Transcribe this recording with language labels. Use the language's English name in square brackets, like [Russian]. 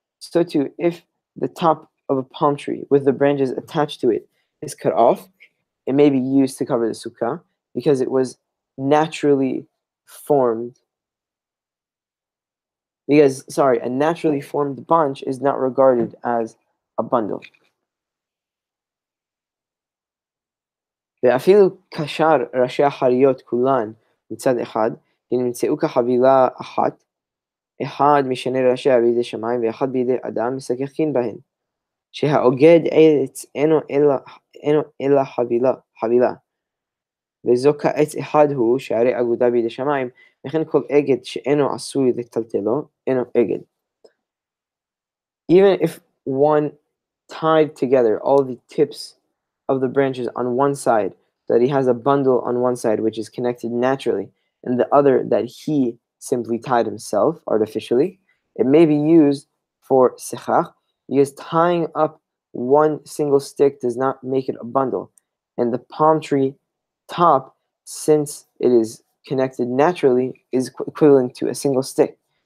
[English] So too, if the top of a palm tree with the branches attached to it is cut off, it may be used to cover the sukkah because it was naturally formed. Because, sorry, a naturally formed bunch is not regarded as a bundle. [Hebrew] ואפילו כשאר ראשי החריות כולן מצד אחד, נמצאו כחבילה אחת, אחד משני ראשיה בידי שמיים ואחד בידי אדם מסככין בהן. שהאוגד עץ אינו אלא חבילה. וזו כעץ אחד הוא שערי אגודה בידי שמיים, וכן כל אגד שאינו עשוי לטלטלו, אינו אגד. [English] Even if one tied together all the tips of the branches on one side, that he has a bundle on one side which is connected naturally, and the other that he simply tied himself artificially, it may be used for sechach, because tying up one single stick does not make it a bundle, and the palm tree top, since it is connected naturally, is equivalent to a single stick.